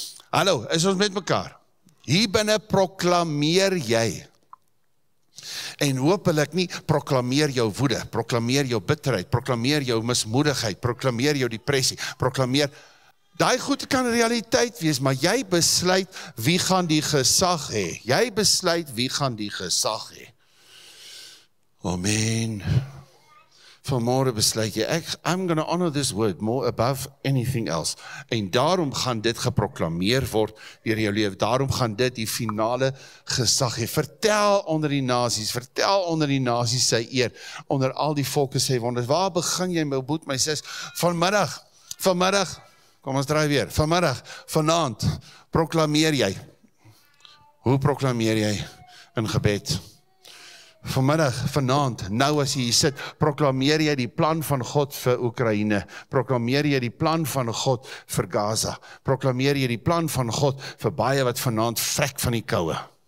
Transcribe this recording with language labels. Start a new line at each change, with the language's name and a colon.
Afrikaans: Hallo, is ons met mekaar? Hier binnen proklameer jy, en hopelik nie, proklameer jou woede, proklameer jou bitterheid, proklameer jou mismoedigheid, proklameer jou depressie, proklameer... Die goed kan realiteit wees, maar jy besluit wie gaan die gesag hê. Jy besluit wie gaan die gesag hê. Amen. Vanmôre besluit jy,
English: I'm going to honor this word more above anything else.
Afrikaans: En daarom gaan dit geproklameer word deur jou lewe. Daarom gaan dit die finale gesag hê. Vertel onder die nasies sy eer. Onder al die volke sê wonder, waar begin jy my boet my sis? Vanmiddag, kom ons draai weer. Vanmiddag, vanaand, proklameer jy. Hoe proklameer jy in gebed? Vanmiddag, vanaand, nou as jy hier sit, proklameer jy die plan van God vir Oekraïne. Proklameer jy die plan van God vir Gaza. Proklameer jy die plan van God vir baie wat vanaand vrek van die koue.